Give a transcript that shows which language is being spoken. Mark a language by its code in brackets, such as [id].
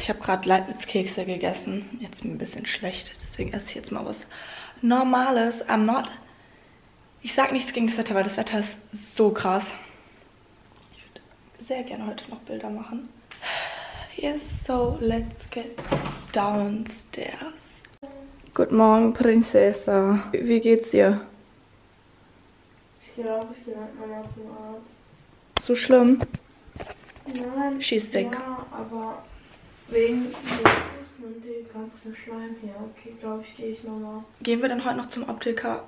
[de] Ich habe gerade Leibniz-Kekse gegessen. Jetzt ist mir ein bisschen schlecht, deswegen esse ich jetzt mal was Normales. Ich sag nichts gegen das Wetter, weil das Wetter ist so krass. Ich würde sehr gerne heute noch Bilder machen. [en] Yes, so let's get downstairs. [de] Guten Morgen, Prinzessa. Wie geht's dir? Ich glaube, ich gehe mit meiner zum Arzt. So schlimm? Nein. [en] She's sick. [de] Ja, aber wegen der Fuß und dem ganzen Schleim hier. Okay, glaube ich, gehe ich nochmal. Gehen wir dann heute noch zum Optiker?